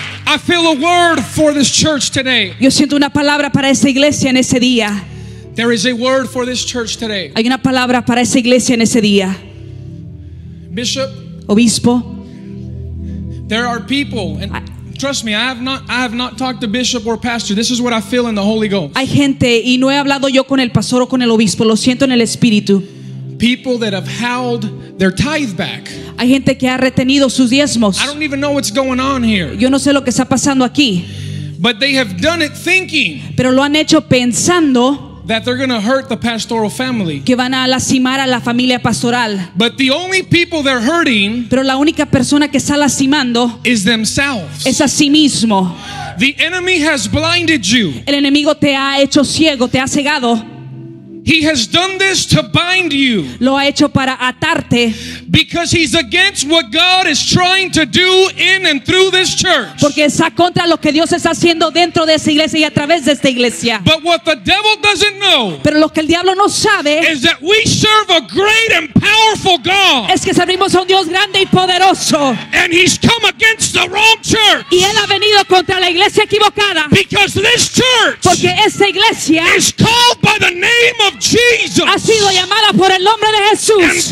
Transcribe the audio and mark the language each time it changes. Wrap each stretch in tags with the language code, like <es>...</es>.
<en>I feel a word for this church today.</en> <es>Yo siento una palabra para esta iglesia en ese día.</es> <en>There is a word for this church today.</en> <es>Hay una palabra para esta iglesia en ese día.</es> <en>Bishop,</en> <es>obispo,</es> <en>there are people and. Trust me, I have not talked to bishop or pastor. This is what I feel in the Holy Ghost.</en> <es>Hay gente y no he hablado yo con el pastor o con el obispo. Lo siento en el espíritu.</es> <en>People that have held their tithe back.</en> <es>Hay gente que ha retenido sus diezmos.</es> <en>I don't even know what's going on here.</en> <es>Yo no sé lo que está pasando aquí.</es> <en>But they have done it thinking.</en> <es>Pero lo han hecho pensando.</es> <en>That they're going to hurt the pastoral family.</en> <es>Que van a lastimar a la familia pastoral.</es> <en>But the only people they're hurting.</en> <es>Pero la única persona que está lastimando.</es> <en>Is themselves.</en> <es>Es a sí mismo.</es> <en>The enemy has blinded you.</en> <es>El enemigo te ha hecho ciego, te ha cegado.</es> <en>He has done this to bind you.</en> <es>Lo ha hecho para atarte.</es> <en>Because he's against what God is trying to do in and through this church.</en> <es>Porque está contra lo que Dios está haciendo dentro de esta iglesia y a través de esta iglesia.</es> <en>But what the devil doesn't know.</en> <es>Pero lo que el diablo no sabe.</es> <en>Is that we serve a great and powerful God.</en> <es>Es que servimos a un Dios grande y poderoso.</es> <en>And he's come against the wrong church.</en> <es>Y él ha venido contra la iglesia equivocada.</es> <en>Because this church.</en> <es>Porque esta iglesia.</es> <en>Is called by the name of.</en> <es>Ha sido llamada por el nombre de Jesús.</es>